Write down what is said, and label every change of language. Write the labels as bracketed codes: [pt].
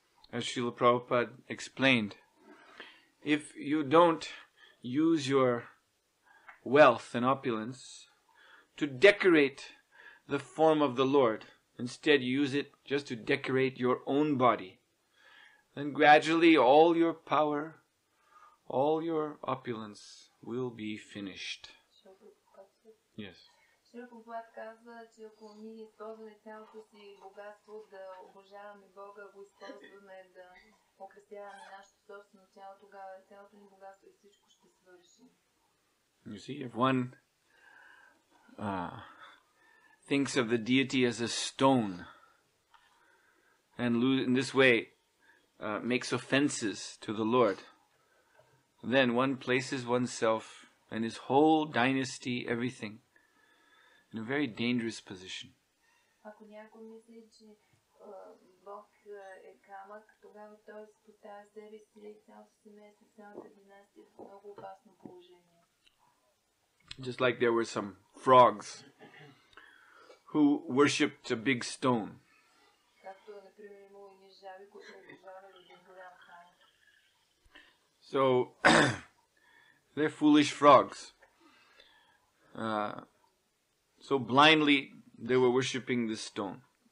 [en] As Srila Prabhupada explained, if you don't use your wealth and opulence to decorate the form of the Lord, instead use it just to decorate your own body, then gradually all your power, all your opulence will be finished. Yes. [bg] Шри Прабхупад казва, че ако ние използваме цялото си богатство да обожаваме Бога, го използваме да окрасяваме нашето собствено тяло, тогава цялото ни богатство и всичко ще свърши. [en] You see, if one thinks of the deity as a stone and in this way makes offenses to the Lord, then one places oneself and his whole dynasty, everything, in a very dangerous position. [bg] Ако някой мисли, че Бог е камък, тогава той се поставя себе си и цялото семейство, цялата династия в много опасно положение. [en] Just like there were some frogs who worshipped a big stone. [bg] Както, например, имало и жаби, които обожавали един голям камък. [en] So, they're foolish frogs. So blindly, they were worshipping this stone.